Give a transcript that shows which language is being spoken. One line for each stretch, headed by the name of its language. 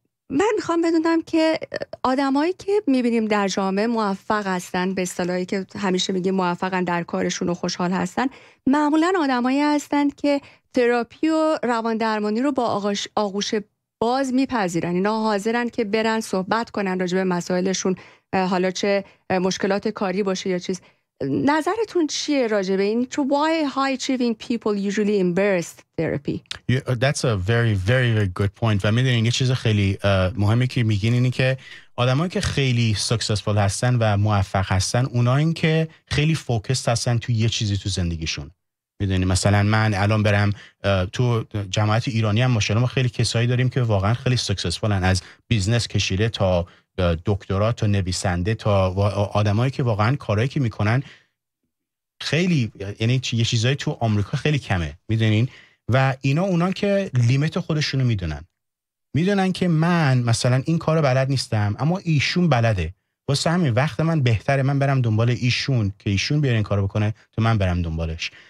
Persian: من میخوام بدونم که آدمایی که میبینیم در جامعه موفق هستن، به اصطلاحی که همیشه میگیم موفقن در کارشون و خوشحال هستن، معمولا آدمایی هستن که تراپی و روان درمانی رو با آغوش باز میپذیرن، اینا حاضرن که برن صحبت کنن راجع به مسائلشون، حالا چه مشکلات کاری باشه یا چیز. نظرتون چیه راجع به این؟
English: To why high achieving people usually embrace therapy? Yeah, that's a very, very, very good point.
Persian: و میدونین یه چیز خیلی مهمی که میگین اینی که آدم هایی که خیلی successful هستن و موفق هستن، اونا این که خیلی focused هستن تو یه چیزی تو زندگیشون. میدونین مثلا من الان برم تو جماعت ایرانی هم ماشاءالله ما خیلی کسایی داریم که واقعا خیلی successful هن، از بیزنس کشیده تا دکترا تا نویسنده تا آدمایی که واقعا کارهایی که میکنن خیلی، یعنی یه چیزایی تو آمریکا خیلی کمه میدونین، و اینا اونان که لیمیت خودشونو میدونن، میدونن که من مثلا این کارو بلد نیستم اما ایشون بلده، واسه همین وقت من بهتره من برم دنبال ایشون که ایشون بیاره این کارو بکنه تو من برم دنبالش.